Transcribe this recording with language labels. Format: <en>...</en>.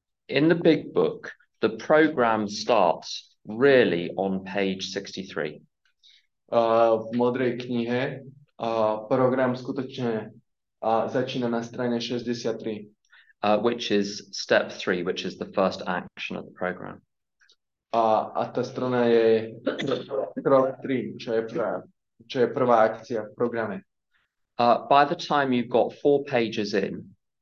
<en>In the big book, the program starts really on page 63.</en> <sk>V modrej knihe program skutočne začína na strane 63.</sk> <en>Which is step 3, which is the first action of the program.</en> <sk>A tá strana je krok 3, čo je prvá akcia v programe.</sk> <en>By the time you've got 4 pages in,</en>